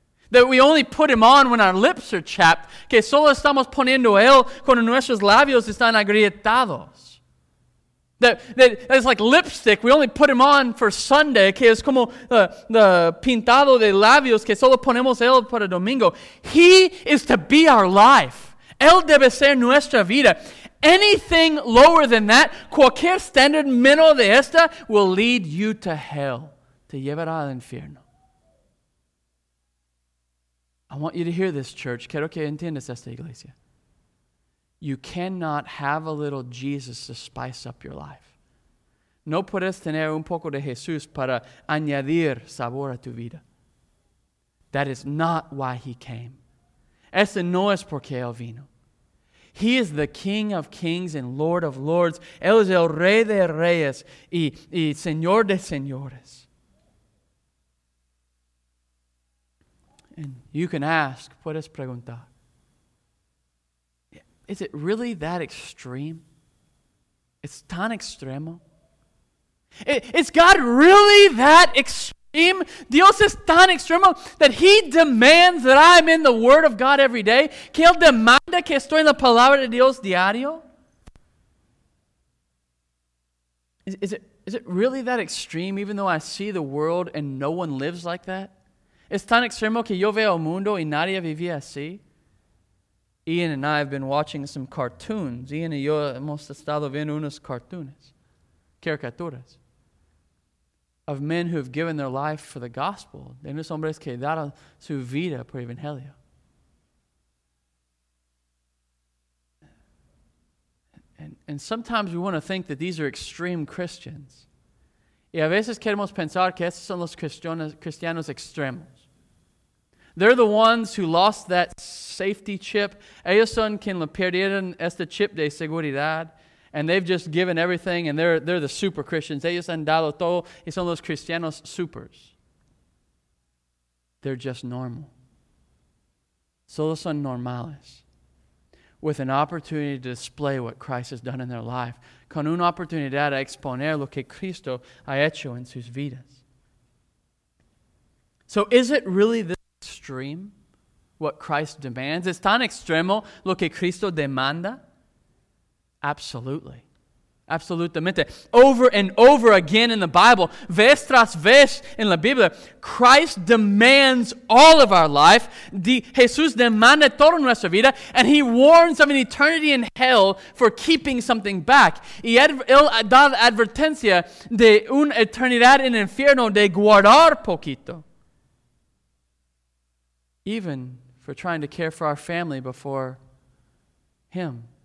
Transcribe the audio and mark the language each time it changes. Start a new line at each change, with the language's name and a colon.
English: That we only put him on when our lips are chapped.
Spanish: Que solo estamos poniendo él cuando nuestros labios están agrietados.
English: That it's like lipstick. We only put him on for Sunday.
Spanish: Que es como the pintado de labios que solo ponemos él para domingo.
English: He is to be our life.
Spanish: Él debe ser nuestra vida.
English: Anything lower than that,
Spanish: cualquier standard menos de esta,
English: will lead you to hell.
Spanish: Te llevará al infierno.
English: I want you to hear this, church.
Spanish: Quiero que entiendas esta iglesia.
English: You cannot have a little Jesus to spice up your life.
Spanish: No puedes tener un poco de Jesús para añadir sabor a tu vida.
English: That is not why he came.
Spanish: Ese no es porque él vino.
English: He is the King of kings and Lord of lords.
Spanish: Él es el Rey de reyes y Señor de señores.
English: And you can ask,
Spanish: puedes preguntar,
English: is it really that extreme? It's
Spanish: tan extremo?
English: Is God really that extreme?
Spanish: Dios es tan extremo
English: that he demands that I'm in the Word of God every day?
Spanish: Que él demanda que estoy en la Palabra de Dios diario?
English: Is it really that extreme even though I see the world and no one lives like that?
Spanish: Es tan extremo que yo veo el mundo y nadie vive así?
English: Ian and I have been watching some cartoons.
Spanish: Ian y yo hemos estado viendo unos cartoons, caricaturas,
English: of men who have given their life for the gospel.
Spanish: De unos hombres que daron su vida por el evangelio.
English: And sometimes we want to think that these are extreme Christians.
Spanish: Y a veces queremos pensar que estos son los cristianos extremos.
English: They're the ones who lost that safety chip.
Spanish: Ellos son quien le perdieron este chip de seguridad.
English: And they've just given everything and they're the super Christians.
Spanish: Ellos han dado todo y son los cristianos supers.
English: They're just normal.
Spanish: Solo son normales.
English: With an opportunity to display what Christ has done in their life.
Spanish: Con una oportunidad a exponer lo que Cristo ha hecho en sus vidas.
English: So is it really this extreme, what Christ demands?
Spanish: Es tan extremo lo que Cristo demanda?
English: Absolutely. Absolutamente. Over and over again in the Bible,
Spanish: vez tras vez en la Biblia,
English: Christ demands all of our life.
Spanish: Jesús demanda toda nuestra vida,
English: and he warns of an eternity in hell for keeping something back.
Spanish: Y él da la advertencia de una eternidad en el infierno de guardar poquito.
English: Even for trying to care for our family before him.